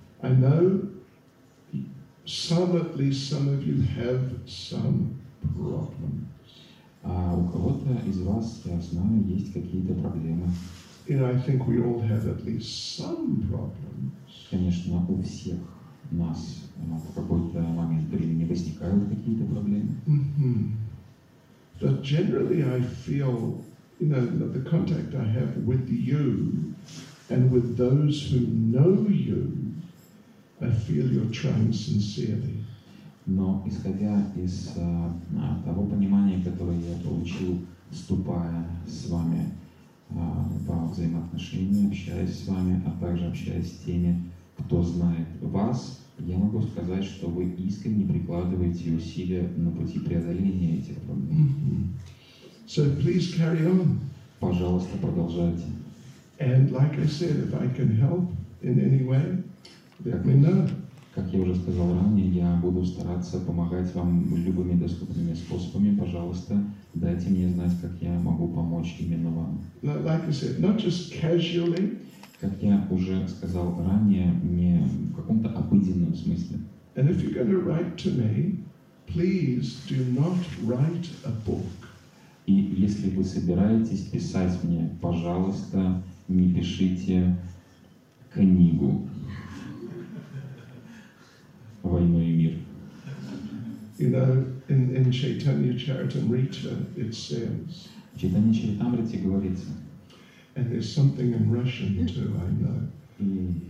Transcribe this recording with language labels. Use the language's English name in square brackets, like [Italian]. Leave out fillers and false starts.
[English] I know some, at least some of you have some problems. [Russian] У кого-то из вас, я знаю, есть какие-то проблемы. [English] And I think we all have at least some problems. [Russian] Конечно, у всех. У нас в какой-то момент времени возникают какие-то проблемы. Mm-hmm. [English] But generally I feel, you know, that the contact I have with you and with those who know you, I feel you're trying sincerely. [Russian] Но исходя из того понимания, которое я получил, вступая с вами по взаимоотношениям, общаясь с вами, а также общаясь с теми, кто знает вас, я могу сказать, что вы искренне прикладываете усилия на пути преодоления этих проблем. [English] So please carry on. [Russian] Пожалуйста, продолжайте. [English] And like I said, if I can help in any way, let me know. [Russian] Как я уже сказал ранее, я буду стараться помогать вам любыми доступными способами. Пожалуйста, дайте мне знать, как я могу помочь именно вам. [English] Like I said, not just casually. [Russian] Как я уже сказал ранее, не в каком-то обыденном смысле. [English] And if you're going to write to me, please do not write a book. [Russian] И если вы собираетесь писать мне, пожалуйста, не пишите книгу. Война и мир. [English] You know, in Chaitanya Charitamrita it says. [Russian] В Чайтанья Чаритамрите говорится. [English] And there's something in Russian too, I know.